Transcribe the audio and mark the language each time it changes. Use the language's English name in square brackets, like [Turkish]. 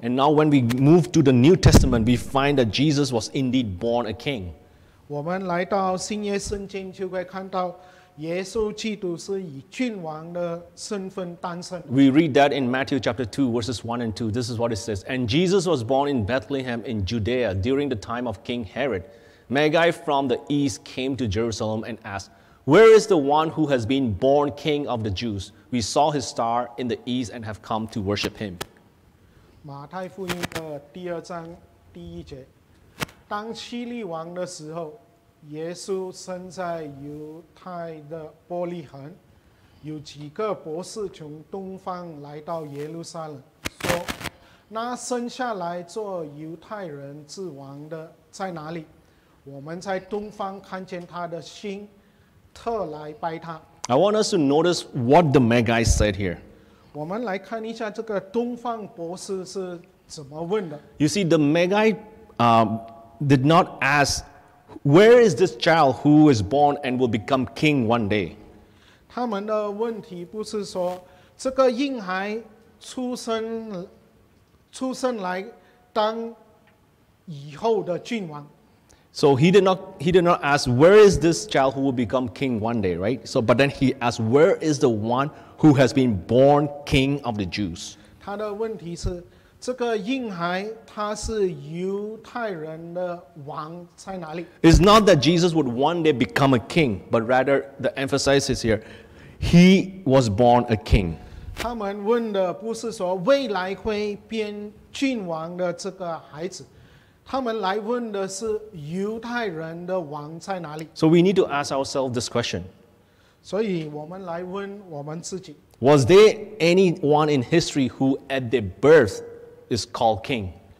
[English] And now when we move to the New Testament, we find that Jesus was indeed born a king. [Chinese] 我们来到新约圣经就会看到耶稣基督是以君王的身份诞生。 [English] We read that in Matthew chapter 2 verses 1 and 2. This is what it says. And Jesus was born in Bethlehem in Judea during the time of King Herod. Magi from the east came to Jerusalem and asked, Where is the one who has been born king of the Jews? We saw his star in the east and have come to worship him. [Chinese] 马太福音的第二章第一节，当希律王的时候，耶稣生在犹太的伯利恒。有几个博士从东方来到耶路撒冷，说：“那生下来做犹太人之王的在哪里？我们在东方看见他的星，特来拜他。” [English] I want us to notice what the Magi said here. [Chinese] 我们来看一下这个东方博士是怎么问的。 [English] You see, the Magi did not ask, where is this child who is born and will become king one day? [Chinese] 他们的问题不是说这个婴孩出生来当以后的君王。 [English] So he did not ask, where is this child who will become king one day, right? So, but then he asked, where is the one who has been born king of the Jews? [Chinese] 他的问题是, 这个婴孩他是犹太人的王在哪里? [English] It's not that Jesus would one day become a king, but rather the emphasis is here, he was born a king. [Chinese] 他们问的不是说未来会变君王的这个孩子, 他们来问的是犹太人的王在哪里? [English] So we need to ask ourselves this question. [Chinese] 所以我们来问我们自己, [English] was there anyone in history who at their birth is called king?